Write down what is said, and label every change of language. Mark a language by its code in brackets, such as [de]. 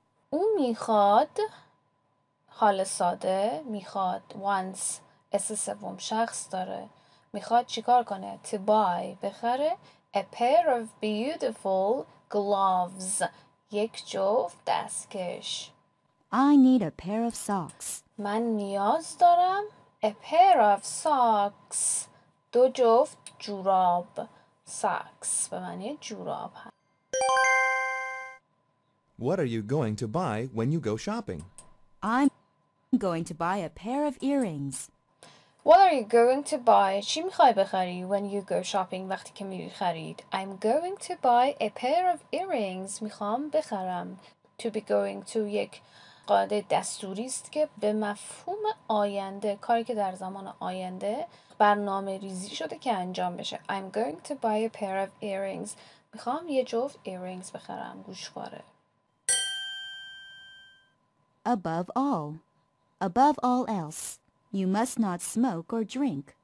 [fa] اون میخواد حال ساده میخواد wants اس سوم شخص داره میخواد چیکار کنه [en] to buy [fa] بخره [en] A pair of beautiful gloves. [fa] یک جفت دستکش. [en] I need a pair of socks. [fa] من نیاز دارم. [en] A pair of socks. [fa] دو جفت جوراب. Socks به معنی جوراب هست. [en] What are you going to buy when you go shopping? I'm going to buy a pair of earrings. What are you going to buy? [fa] چی میخوای بخری [en] when you go shopping [fa] وقتی که میری خرید? [en] I'm going to buy a pair of earrings. [fa] میخوام بخرم. [en] To be going to [fa] یک قاعده دستوری است که به مفهوم آینده کاری که در زمان آینده برنامه ریزی شده که انجام بشه. [en] I'm going to buy a pair of earrings. [fa] میخوام یه جفت earrings بخرم. گوشواره. [en] Above all else, you must not smoke or drink.